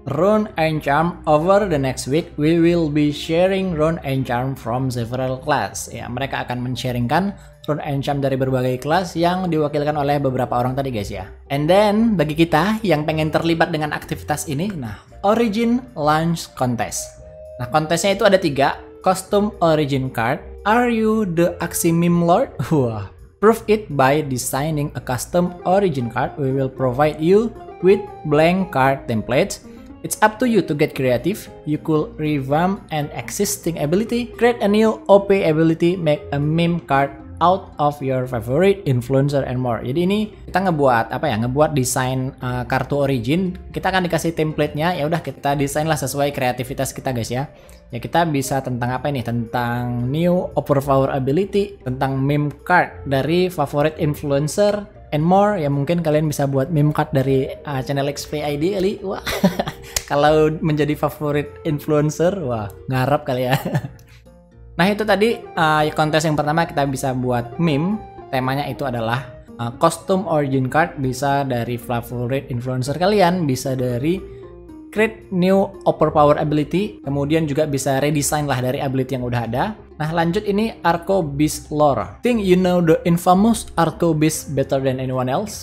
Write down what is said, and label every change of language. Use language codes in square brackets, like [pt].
[en] Rune and charm over the next week we will be sharing rune and charm from several class. [id] Ya, mereka akan men-sharingkan rune and charm dari berbagai kelas yang diwakilkan oleh beberapa orang tadi guys ya. [en] And then [id] bagi kita yang pengen terlibat dengan aktivitas ini, nah, Origin launch contest. Nah, kontesnya itu ada 3, Costume Origin Card, Are You the Aksi Meme Lord? [en] Wah, prove it by designing a custom origin card, we will provide you with blank card templates. It's up to you to get creative, you could revamp an existing ability, create a new OP ability, make a meme card out of your favorite influencer and more. [id] Jadi ini kita ngebuat apa ya? Ngebuat desain kartu origin. Kita akan dikasih template-nya. Ya udah kita desain lah sesuai kreativitas kita, guys ya. Ya kita bisa tentang apa ini? Tentang [en] new overpower ability, [id] tentang meme card dari favorite influencer and more. Ya mungkin kalian bisa buat meme card dari channel XVID kali. Wah. Kalau menjadi favorite influencer, wah, ngarep kali ya. Nah itu tadi kontes yang pertama kita bisa buat meme. Temanya itu adalah custom origin card. Bisa dari favorite influencer kalian, bisa dari create new upper power ability. Kemudian juga bisa redesign lah dari ability yang udah ada. Nah lanjut ini Arco Beast lore. [en] Think you know the infamous Arco Beast better than anyone else?